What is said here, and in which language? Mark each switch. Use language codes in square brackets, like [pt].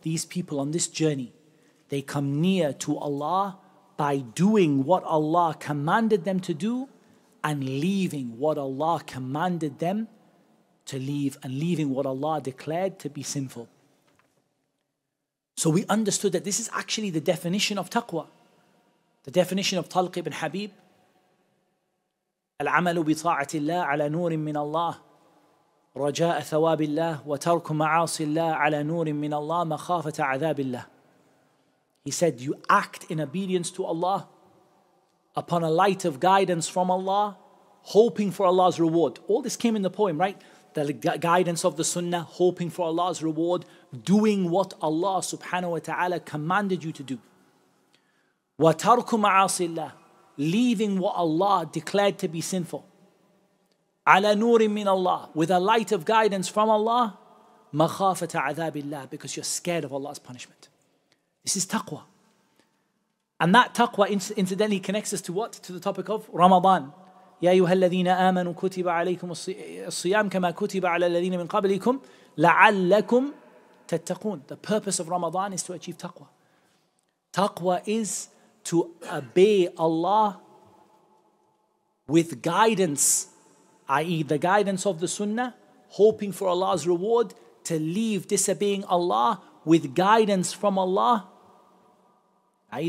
[en] These people on this journey, they come near to Allah by doing what Allah commanded them to do and leaving what Allah commanded them to leave and leaving what Allah declared to be sinful. So we understood that this is actually the definition of taqwa. The definition of Talq ibn Habib. [ar] العمل بطاعة الله على نور من الله رجاء ثواب الله وترك معاصي الله على نور من الله مخافة عذاب الله [en] He said, you act in obedience to Allah upon a light of guidance from Allah, hoping for Allah's reward. All this came in the poem, right? The guidance of the sunnah, hoping for Allah's reward, doing what Allah subhanahu wa ta'ala commanded you to do. [ar] وَتَرْكُ مَعَاصِ اللَّهِ [en] Leaving what Allah declared to be sinful. [ar] عَلَى نُورٍ مِّنَ اللَّهِ [en] With a light of guidance from Allah, [ar] مَخَافَةَ عَذَابِ اللَّهِ [en] Because you're scared of Allah's punishment. This is taqwa. And that taqwa incidentally connects us to what? To the topic of Ramadan. [ar] يَا أَيُّهَا الَّذِينَ آمَنُوا كُتِبَ عَلَيْكُمُ الصِّيَامُ كَمَا كُتِبَ عَلَى الَّذِينَ مِنْ قَبْلِكُمْ لَعَلَّكُمْ تَتَّقُونَ [en] The purpose of Ramadan is to achieve taqwa. Taqwa is to obey Allah with guidance, i.e. the guidance of the sunnah, hoping for Allah's reward, to leave disobeying Allah with guidance from Allah, i.e.